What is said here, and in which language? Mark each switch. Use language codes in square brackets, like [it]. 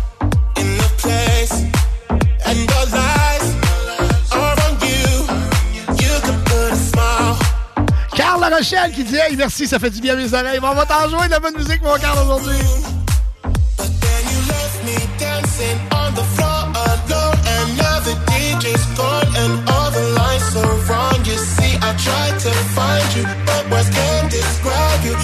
[en] In the place and the lies are on you. You can put a smile. [fr] Carl La Rochelle qui dit, hey, merci, ça fait du bien à mes oreilles. Bon, on va t'en jouer de la bonne musique, mon Carl, aujourd'hui. [en] But then you left me dancing on the floor alone. And now the DJ's gone and all the lights are wrong. You see, I tried to find you, but words can't describe you.